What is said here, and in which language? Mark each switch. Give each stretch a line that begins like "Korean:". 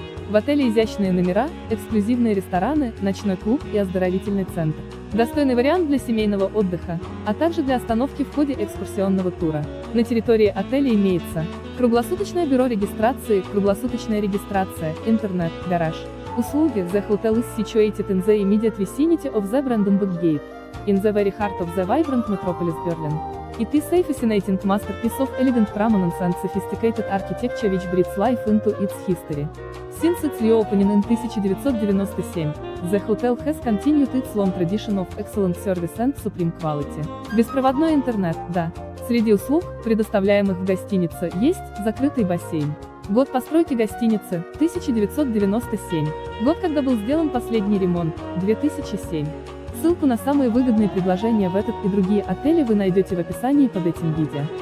Russian: В отеле изящные номера, эксклюзивные рестораны, ночной клуб и оздоровительный центр. Достойный вариант для семейного отдыха, а также для остановки в ходе экскурсионного тура. На территории отеля имеется круглосуточное бюро регистрации, круглосуточная регистрация, интернет, гараж.
English: Услуги The Hotel is situated in the immediate vicinity of the Brandenburg Gate, in the very heart of the vibrant metropolis Berlin. It is a fascinating masterpiece of elegant prominence and sophisticated architecture which breathes life into its history. Since its reopening in 1997, The Hotel has continued its long tradition of excellent service and supreme quality.
Russian: Беспроводной интернет, да. Среди услуг, предоставляемых в гостинице, есть закрытый бассейн. Год постройки гостиницы – 1997. Год, когда был сделан последний ремонт – 2007. Ссылку на самые выгодные предложения в этот и другие отели вы найдете в описании под этим видео.